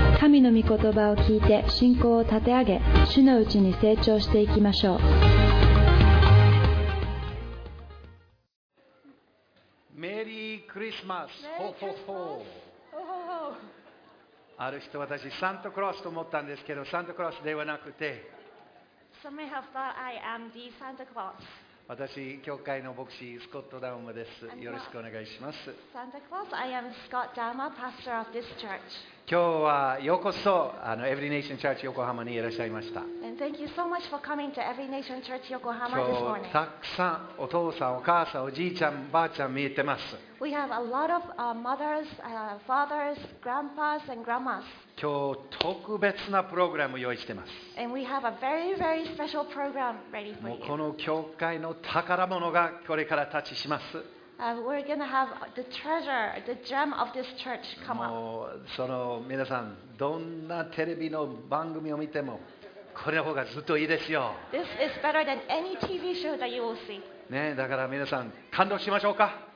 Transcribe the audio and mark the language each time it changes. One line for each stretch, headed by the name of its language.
Japanese: 神の御言葉を聞いて信仰を立て上げ、主のうちに成長していきましょう。メリークリスマス。ほほほ。ある人は私サンタクロースと思ったんですけど、サンタクロースではなくて。
English: Some may have thought I am the Santa Claus.
Japanese: 私、教会の牧師、スコット・ダーマです。よろしくお願いします。
English: サンタクロース、I am Scott Dharma, pastor of this church.
Japanese: 今日はようこそ、Every Nation Church 横浜にいらっしゃいました。
English: And thank you so much for coming to Every Nation Church 横浜 this morning.
Japanese: 今日、たくさんお父さん、お母さん、おじいちゃん、ばあちゃん見えてます。
English: We have a lot of mothers, fathers, grandpas, and grandmas.
Japanese: 今日、特別なプログラム用意してます。
English: And we have a very, very special program ready for you.
Japanese: もうこの教会の宝物がこれから立ちします。
English: We're gonna have the treasure, the gem of this church come up.
Japanese: もうその皆さん、どんなテレビの番組を見ても、これの方がずっといいですよ。
English: This is better than any TV show that you will see.
Japanese: ね、だから皆さん、感動しましょうか。